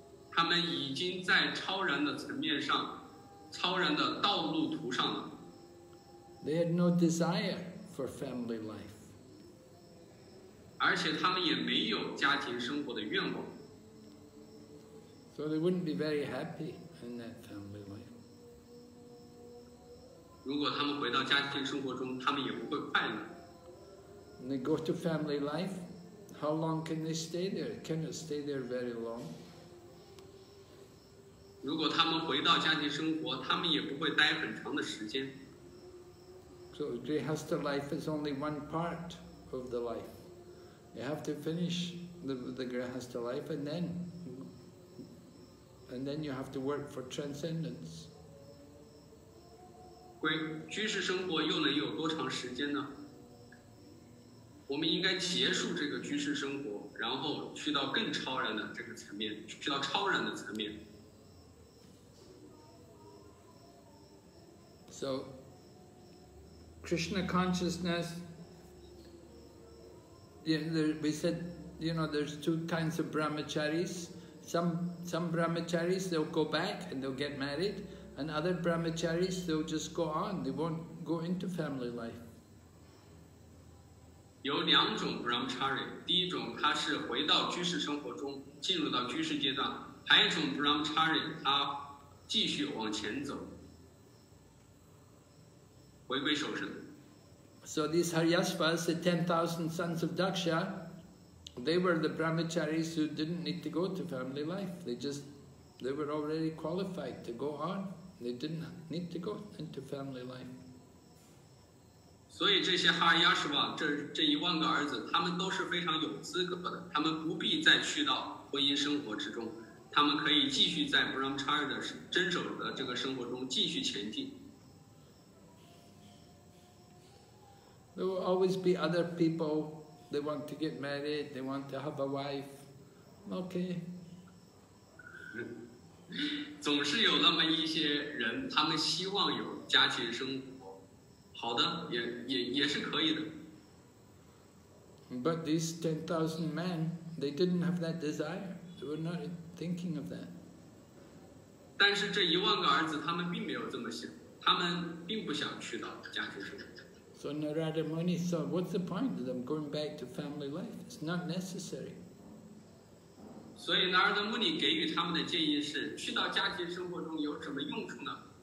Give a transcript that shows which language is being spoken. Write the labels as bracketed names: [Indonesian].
[Chinese] 他们已经在超然的层面上，超然的道路途上了。 [English] They had no desire for family life. [Chinese] 而且他们也没有家庭生活的愿望。 [English] So they wouldn't be very happy in that family life. [Chinese] 如果他们回到家庭生活中，他们也不会快乐。 [English] And they go to family life, how long can they stay there? Cannot stay there very long. [Chinese] 如果他们回到家庭生活，他们也不会待很长的时间。 [English] So grihastha life is only one part of the life. You have to finish the grihastha life and then you have to work for transcendence. [Chinese] 居士生活又能有多长时间呢？我们应该结束这个居士生活，然后去到更超然的这个层面，去到超然的层面。 [English] So, Krishna consciousness, we said, you know, there's two kinds of brahmacharis. Some brahmacharis, they'll go back and they'll get married, and other brahmacharis, they'll just go on, they won't go into family life. [Chinese] 有两种 brahmachari， 第一种他是回到居士生活中，进入到居士阶段；还有一种 brahmachari， 他继续往前走，回归守身。 [English] So these Haryasvas, the 10,000 sons of Daksha, they were the brahmacharis who didn't need to go to family life. They were already qualified to go on. They didn't need to go into family life. [Chinese] 所以这些哈尔亚什瓦这一万个儿子，他们都是非常有资格的，他们不必再去到婚姻生活之中，他们可以继续在 brahmachari 的真守的这个生活中继续前进。 [English] There will always be other people. They want to get married. They want to have a wife. Okay. [Chinese] 总是有那么一些人，他们希望有家庭生活。好的，也是可以的。 [English] But these 10,000 men, they didn't have that desire. They were not thinking of that. [Chinese] 但是这一万个儿子，他们并没有这么想，他们并不想去到家庭生活。 [English] So Narada Muni thought, what's the point of them going back to family life? It's not necessary. [Chinese] 所以 Narada Muni 给予他们的建议是，去到家庭生活中有什么用处呢？